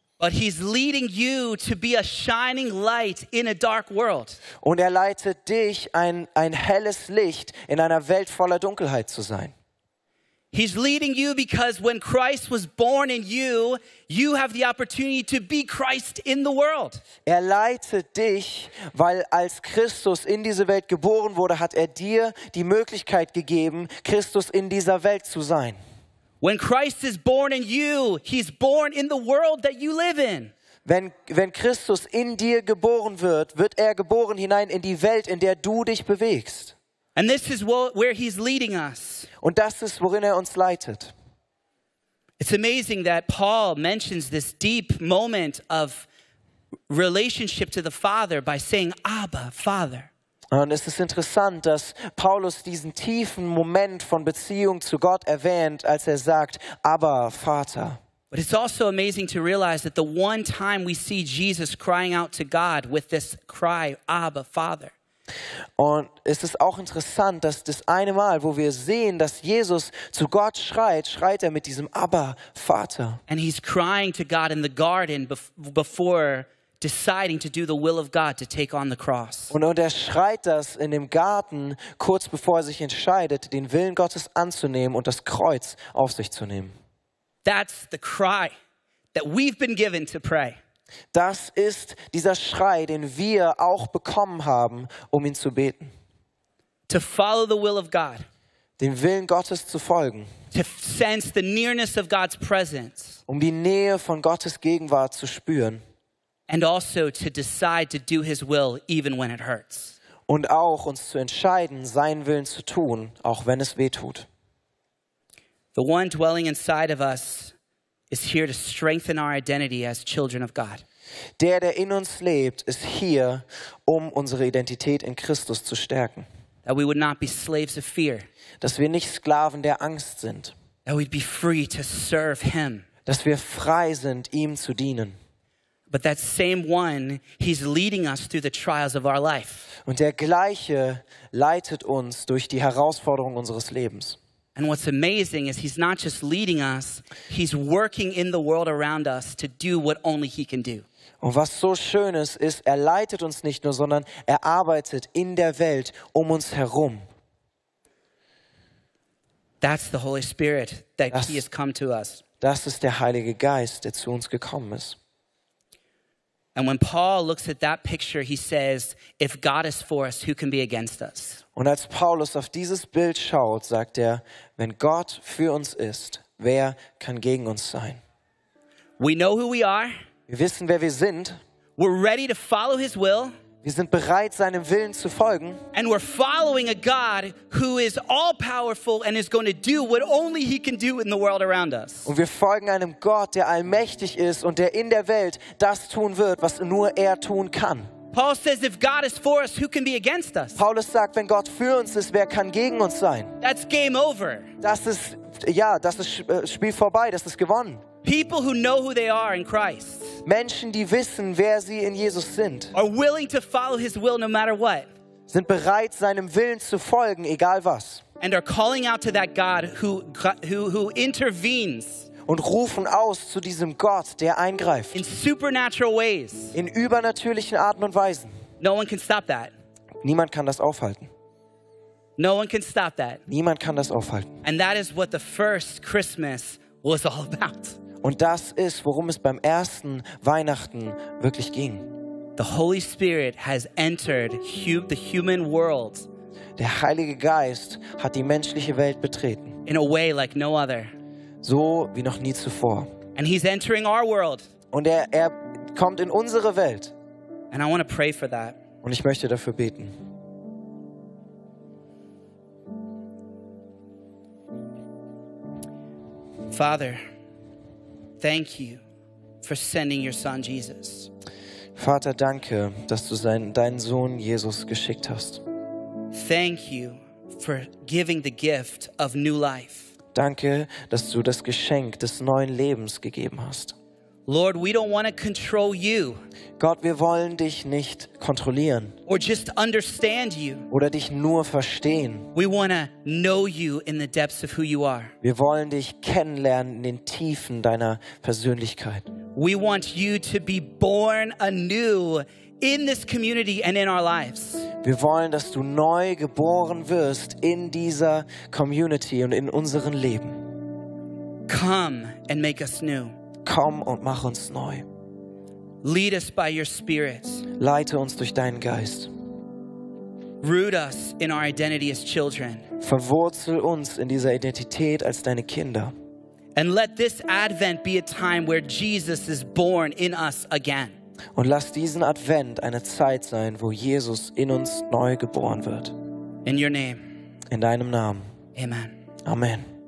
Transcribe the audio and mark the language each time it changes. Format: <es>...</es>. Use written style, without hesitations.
<en>But he's leading you to be a shining light in a dark world.</en> <de>Und er leitet dich, ein helles Licht in einer Welt voller Dunkelheit zu sein.</de> <en>He's leading you because when Christ was born in you, you have the opportunity to be Christ in the world.</en> <de>Er leitet dich, weil als Christus in diese Welt geboren wurde, hat dir die Möglichkeit gegeben, Christus in dieser Welt zu sein.</de> <en>When Christ is born in you, he's born in the world that you live in.</en> <de>Wenn Christus in dir geboren wird, wird geboren hinein in die Welt, in der du dich bewegst.</de> <en>And this is where he's leading us.</en> <de>Und das ist, worin uns leitet.</de> <en>It's amazing that Paul mentions this deep moment of relationship to the Father by saying, Abba, Father.</en> <de>Und es ist interessant, dass Paulus diesen tiefen Moment von Beziehung zu Gott erwähnt, als er sagt, aber Vater.</de> <en>But it's also amazing to realize that the one time we see Jesus crying out to God with this cry, Abba, Father.</en> <de>Und es ist auch interessant, dass das eine Mal, wo wir sehen, dass Jesus zu Gott schreit, schreit er mit diesem Abba, Vater.</de> <en>And he's crying to God in the garden before deciding to do the will of God, to take on the cross.</en> <de>Und er schreit das in dem Garten, kurz bevor er sich entscheidet, den Willen Gottes anzunehmen und das Kreuz auf sich zu nehmen.</de> <en>That's the cry that we've been given to pray.</en> <de>Das ist dieser Schrei, den wir auch bekommen haben, um ihn zu beten.</de> <en>To follow the will of God.</en> <de>Den Willen Gottes zu folgen.</de> <en>To sense the nearness of God's presence.</en> <de>Um die Nähe von Gottes Gegenwart zu spüren.</de> <en>And also to decide to do his will even when it hurts.</en> <de>Und auch uns zu entscheiden, seinen Willen zu tun, auch wenn es weh tut.</de> <en>The one dwelling inside of us is here to strengthen our identity as children of God.</en> <de>Der, der in uns lebt, ist hier, um unsere Identität in Christus zu stärken.</de> <en>That we would not be slaves of fear.</en> <de>Dass wir nicht Sklaven der Angst sind.</de> <en>That we'd be free to serve him.</en> <de>Dass wir frei sind, ihm zu dienen.</de> <en>But that same one, he's leading us through the trials of our life.</en> <de>Und der gleiche leitet uns durch die Herausforderungen unseres Lebens.</de> <en>And what's amazing is he's not just leading us, he's working in the world around us to do what only he can do.</en> <de>Und was so schön ist, er leitet uns nicht nur, sondern er arbeitet in der Welt um uns herum.</de> <en>That's the Holy Spirit that he has come to us.</en> <de>Das ist der Heilige Geist, der zu uns gekommen ist.</de> <en>And when Paul looks at that picture, he says, if God is for us, who can be against us?</en> <de>Und als Paulus auf dieses Bild schaut, sagt er, wenn Gott für uns ist, wer kann gegen uns sein?</de> <en>We know who we are.</en> <de>Wir wissen, wer wir sind.</de> <en>We're ready to follow his will.</en> <de>Wir sind bereit, seinem Willen zu folgen.</de> <en>And we're following a God who is all powerful and is going to do what only he can do in the world around us.</en> <de>Und wir folgen einem Gott, der allmächtig ist und der in der Welt das tun wird, was nur tun kann.</de> <en>Paul says, if God is for us, who can be against us?</en> <de>Paulus sagt, wenn Gott für uns ist, wer kann gegen uns sein?</de> <en>That's game over.</en> <de>Das ist Spiel vorbei, das ist gewonnen.</de> <en>People who know who they are in Christ.</en> <de>Menschen, die wissen, wer sie in Jesus sind.</de> <en>Are willing to follow his will no matter what.</en> <de>Sind bereit, seinem Willen zu folgen, egal was.</de> <en>And are calling out to that God who intervenes.</en> <de>Und rufen aus zu diesem Gott, der eingreift.</de> <en>In supernatural ways.</en> <de>In übernatürlichen Arten und Weisen.</de> <en>No one can stop that.</en> <de>Niemand kann das aufhalten.</de> <en>No one can stop that.</en> <de>Niemand kann das aufhalten.</de> <en>And that is what the first Christmas was all about.</en> <de>Und das ist, worum es beim ersten Weihnachten wirklich ging.</de> <en>The Holy Spirit has entered the human world.</en> <de>Der Heilige Geist hat die menschliche Welt betreten.</de> <en>In a way like no other.</en> <de>So wie noch nie zuvor.</de> <en>And he's entering our world.</en> <de>Und er kommt in unsere Welt.</de> <en>And I want to pray for that.</en> <de>Und ich möchte dafür beten.</de> <en>Father, thank you for sending your son Jesus.</en> <de>Vater, danke, dass du deinen Sohn Jesus geschickt hast.</de> <en>Thank you for giving the gift of new life.</en> <de>Danke, dass du das Geschenk des neuen Lebens gegeben hast.</de> <en>Lord, we don't want to control you.</en> <de>Gott, wir wollen dich nicht kontrollieren.</de> <en>Or just understand you.</en> <de>Oder dich nur verstehen.</de> <en>We want to know you in the depths of who you are.</en> <de>Wir wollen dich kennenlernen in den Tiefen deiner Persönlichkeit.</de> <en>We want you to be born anew in this community and in our lives.</en> <de>Wir wollen, dass du neu geboren wirst in dieser Community und in unseren Leben.</de> <en>Come and make us new.</en> <de>Komm und mach uns neu.</de> <en>Lead us by your spirit.</en> <de>Leite uns durch deinen Geist.</de> <en>Root us in our identity as children.</en> <de>Verwurzel uns in dieser Identität als deine Kinder.</de> <en>And let this Advent be a time where Jesus is born in us again.</en> <de>Und lass diesen Advent eine Zeit sein, wo Jesus in uns neu geboren wird.</de> <en>In your name.</en> <de>In deinem Namen.</de> <en>Amen.</en> <de>Amen.</de>